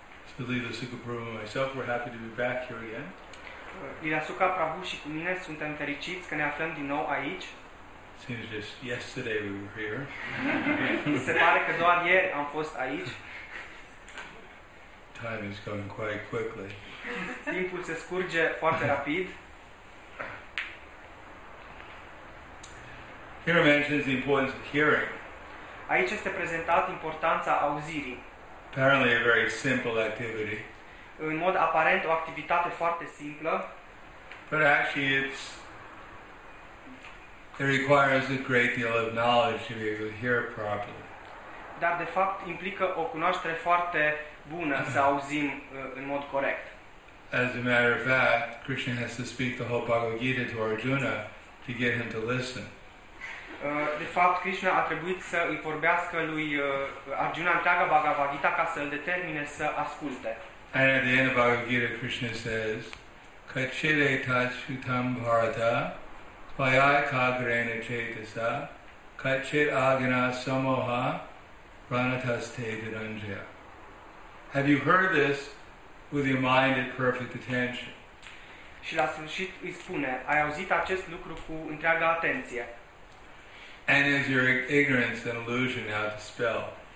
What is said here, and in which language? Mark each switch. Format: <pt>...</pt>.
<en>So Lila Sukha Prabhu and myself, we're happy to be back here again.</en> <ro>Lila Sukha Prabhu și cu mine suntem fericiți că ne aflăm din nou aici.</ro> <en>Seems just yesterday we were here.</en> <ro>Se pare că doar ieri am fost aici.</ro> <en>Time is going quite quickly.</en> <ro>Timpul se scurge foarte rapid.</ro> <en>Here mentions the importance of hearing.</en> <ro>Aici este prezentat importanța auzirii.</ro> <en>Apparently a very simple activity.</en> <ro>În mod aparent o activitate foarte simplă.</ro> <en>But actually it requires a great deal of knowledge to be able to hear properly.</en> <ro>Dar de fapt implică o cunoaștere foarte bună să auzim în mod corect.</ro> <en>As a matter of fact, Krishna has to speak the whole Bhagavad Gita to Arjuna to get him to listen.</en> <ro>De fapt, Krishna a trebuit să îi vorbească lui Arjuna întreaga Bhagavad Gita ca să îl determine să asculte.</ro> <en>And at the end of Bhagavad Gita, Krishna says,</en> <sa>Kachire tachutam bharata, vayai kagrena chetasa, kachit agana samoha, pranatas te vidanjaya.</sa> <en>Have you heard this with your mind at perfect attention?</en> <ro>Și la sfârșit îi spune, ai auzit acest lucru cu întreaga atenție.</ro> <en>And is your ignorance and illusion now dispelled?</en>